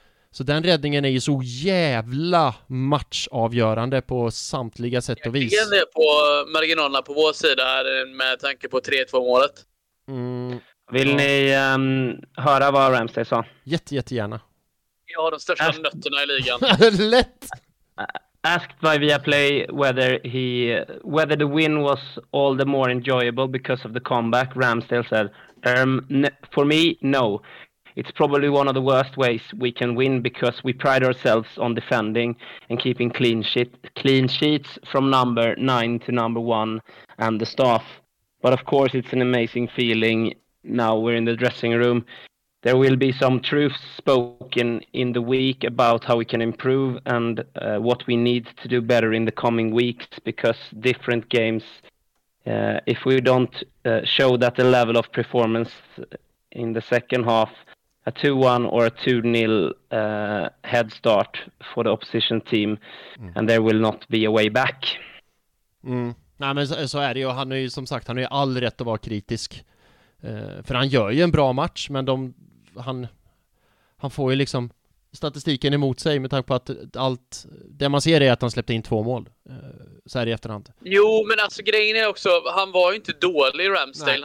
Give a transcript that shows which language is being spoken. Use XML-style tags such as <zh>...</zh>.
<sv>Så den räddningen är ju så jävla matchavgörande på samtliga sätt och vis. Jag är på marginalerna på vår sida här med tanke på 3-2-målet. Vill ni höra vad Ramsey sa? Jättegärna. Jag har de största nötterna i ligan. Lätt!</sv> <en>Asked by Viaplay whether the win was all the more enjoyable because of the comeback, Ramsey said, for me, no. It's probably one of the worst ways we can win because we pride ourselves on defending and keeping clean sheets from number 9 to number 1 and the staff. But of course it's an amazing feeling now we're in the dressing room. There will be some truth spoken in the week about how we can improve and what we need to do better in the coming weeks, because different games, if we don't show that the level of performance in the second half, a 2-1 or a 2-0 head start for the opposition team and there will not be a way back.</en> <sv>Nej, men så är det ju. Han är ju, som sagt, han har ju all rätt att vara kritisk. För han gör ju en bra match, men han får ju liksom statistiken emot sig med tanke på att allt det man ser är att han släppte in två mål så här i efterhand. Jo, men alltså grejen är också, han var ju inte dålig i Ramsdale.</sv>